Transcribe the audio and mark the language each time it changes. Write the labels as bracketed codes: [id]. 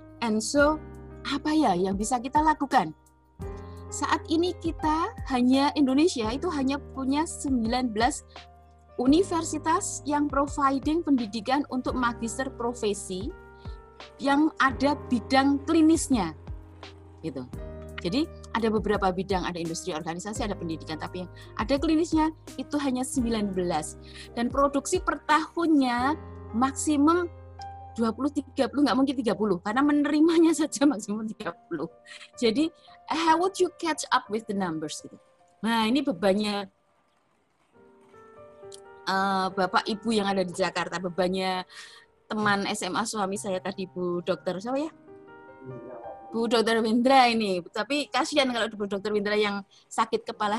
[en] And so, [id] apa ya yang bisa kita lakukan? Saat ini kita hanya Indonesia itu hanya punya 19 universitas yang providing pendidikan untuk magister profesi yang ada bidang klinisnya. Gitu. Jadi ada beberapa bidang, ada industri organisasi, ada pendidikan, tapi yang ada klinisnya itu hanya 19. Dan produksi per tahunnya maksimum 20-30, nggak mungkin 30, karena menerimanya saja maksimum 30. Jadi, [en] how would you catch up with the numbers? [id] Nah, ini bebannya Bapak Ibu yang ada di Jakarta, bebannya teman SMA suami saya tadi, Bu Dokter, siapa ya? Bu Dr. Windra ini, tapi kasihan kalau Bu Dr. Windra yang sakit kepala.